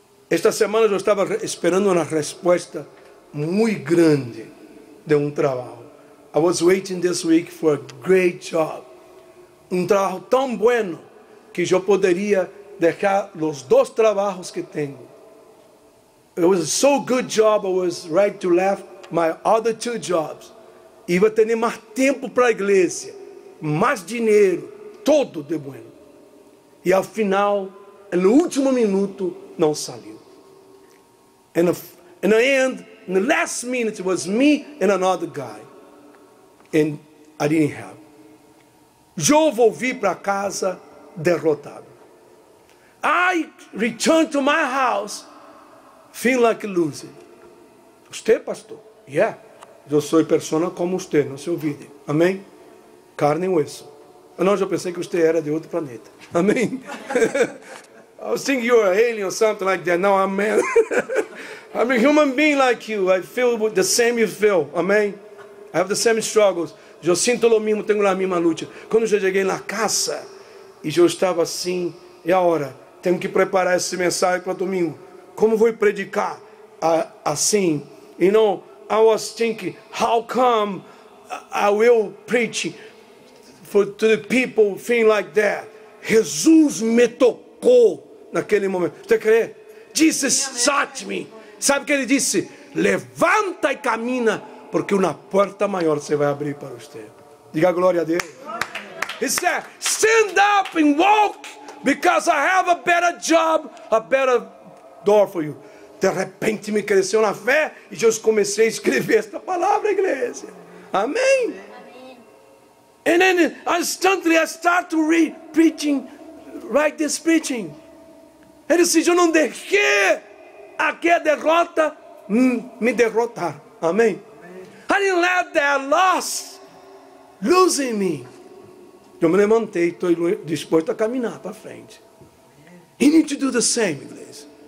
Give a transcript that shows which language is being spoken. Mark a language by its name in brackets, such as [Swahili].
[Portuguese] Esta semana eu estava esperando uma resposta muito grande de trabalho. [English] I was waiting this week for a great job. [Portuguese] Trabalho tão bueno que eu poderia deixar os dois trabalhos que tenho. [English] It was a so good job, I was ready to leave my other two jobs. [Portuguese] Iba a ter mais tempo para a igreja, mais dinheiro, todo de bueno. E ao final, no último minuto, não saiu. [English] In the end, in the last minute, it was me and another guy. And I didn't have. [Portuguese] Eu volvi para casa derrotado. [English] I returned to my house feeling like a loser. [Portuguese] Você, pastor? [English] Yeah. [Portuguese] Eu sou persona como você, não se olvide. Amém? Carne e osso. Não, eu pensei que você era de outro planeta. Amém? [English] I was thinking you were an alien or something like that. Now I'm man. I'm a human being like you. I feel the same you feel. Amém? I have the same struggles. [Portuguese] Eu sinto o mesmo, tenho a mesma luta. Quando eu cheguei na casa, e eu estava assim, e agora? Tenho que preparar esse mensagem para domingo. Como vou predicar assim? [English] You know, I was thinking, how come I will preach to the people, feeling like that? [Portuguese] Jesus me tocou naquele momento. Você crê? [English] Jesus touched me. [Portuguese] Sabe o que ele disse? Levanta e camina. Porque uma porta maior se vai abrir para você. Diga glória a Deus. [English] He said, stand up and walk, because I have a better job, a better door for you. [Portuguese] De repente me cresceu na fé e eu comecei a escrever esta palavra, igreja. Amém. [English] And then instantly I start to read, preaching, write this preaching. [Portuguese] Ele disse, eu não deixei aquela derrota me derrotar. Amém. [English] I didn't let that loss losing me. [Portuguese] Eu me levantei, estou disposto a caminhar para frente. [English] You need to do the same, [Portuguese] igreja.